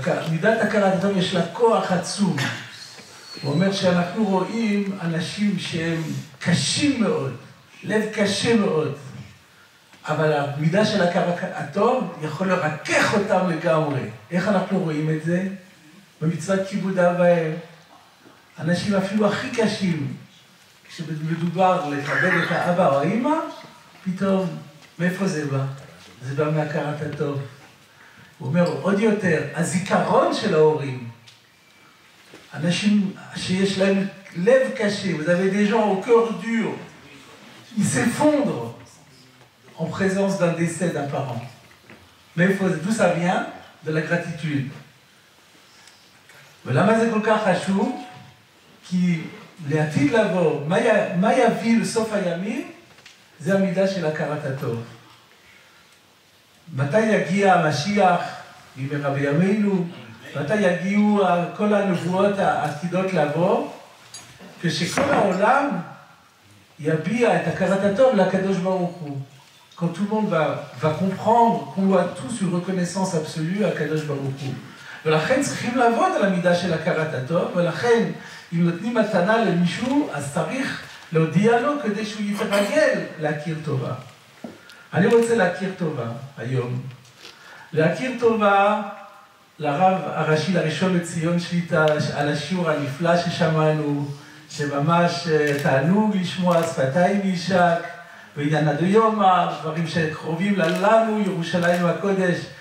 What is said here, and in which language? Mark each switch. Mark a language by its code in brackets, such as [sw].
[he] מידת הכרת הטוב יש לה כוח עצום. הוא אומר שאנחנו רואים אנשים שהם קשים מאוד, לב קשה מאוד, אבל המידה של הכרת הטוב יכול לרכך אותם לגמרי. איך אנחנו רואים את זה? במצוות כיבוד אב ואם. אנשים אפילו הכי קשים, כשמדובר לכבד את האבא או האמא, פתאום, מאיפה זה בא? זה בא מהכרת הטוב. הוא אומר, עוד יותר, הזיכרון של ההורים, אנשים שיש להם לב קשה, [fr] vous avez des gens au cœur dur, ils s'effondrent en présence d'un décès d'un parent. Mais d'où ça vient? De la gratitude. [he] ולמה זה כל כך חשוב? כי לעתיד לבוא, מה יביא לסוף הימים? זה המידה של הכרת הטוב. מתי יגיע המשיח ממהרה בימינו? מתי יגיעו כל הנבואות העתידות לבוא? כשכל העולם יביע את הכרת הטוב לקדוש ברוך הוא. [fr] Quand tout le monde va comprendre qu'on voit tous une reconnaissance absolue à Kadosh Baruch Hu. [he] ולכן צריכים לעבוד על המידה של הכרת הטוב, ולכן אם נותנים מתנה למישהו, אז צריך להודיע לו כדי שהוא יתרגל להכיר טובה. אני רוצה להכיר טובה היום. להכיר טובה לרב הראשי לראשון לציון שליטה על השיעור הנפלא ששמענו, שממש תענוג לשמוע שפתיים יישק, ועניין עד יומה, דברים שקרובים לנו, ירושלים הקודש,